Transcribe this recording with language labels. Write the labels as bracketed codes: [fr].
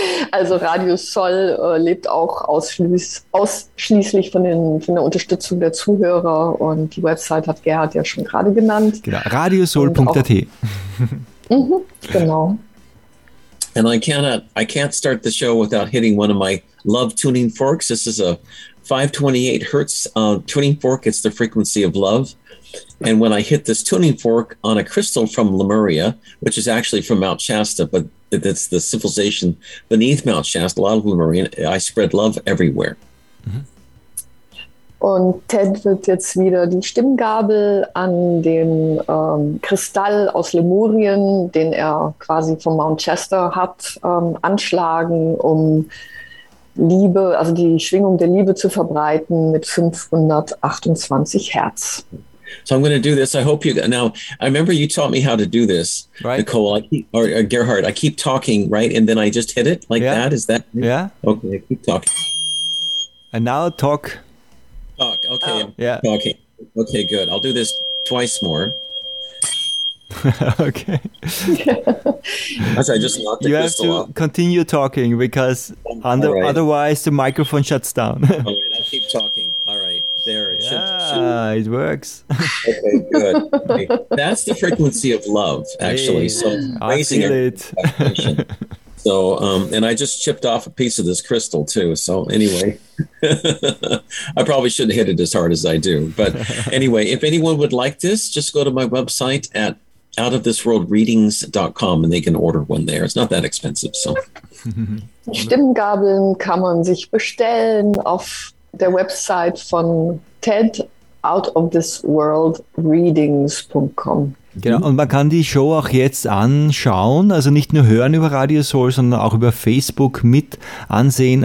[de] Also Radio Soll lebt auch ausschließlich von der Unterstützung der Zuhörer, und die Website hat Gerhard ja schon gerade genannt. Genau, radiosoul.at. Genau. [en] And I can't start the show without hitting one of my love tuning forks. This is a 528 hertz tuning fork. It's the frequency of love. And when I hit this tuning fork on a crystal from Lemuria, which is actually from Mount Shasta, but it's the civilization beneath Mount Shasta, a lot of Lemuria, I spread love everywhere. Mm-hmm. [de] Und Ted wird jetzt wieder die Stimmgabel an dem Kristall aus Lemurien, den er quasi vom Mount Shasta hat, anschlagen, um Liebe, also die Schwingung der Liebe zu verbreiten mit 528 Hertz. [en] So I'm going to do this. I hope you, now, I remember you taught me how to do this, right. Nicole, or Gerhard. I keep talking, right? And then I just hit it like that? Is that? Yeah. Okay, I keep talking. And now talk. Talk, okay. Okay, good. I'll do this twice more. Okay. Actually, I just locked the you have to off. Continue talking because otherwise the microphone shuts down. All right, I'll keep talking. All right, there. It should. It works. Okay, good. Okay. That's the frequency of love, actually. Hey, so I feel it. So, and I just chipped off a piece of this crystal too. So anyway, I probably shouldn't hit it as hard as I do. But anyway, if anyone would like this, just go to my website at outofthisworldreadings.com and they can order one there. It's not that expensive, so. [de] Stimmgabeln kann man sich bestellen auf der Website von TED, outofthisworldreadings.com. Genau, und man kann die Show auch jetzt anschauen, also nicht nur hören über Radio Soul, sondern auch über Facebook mit ansehen.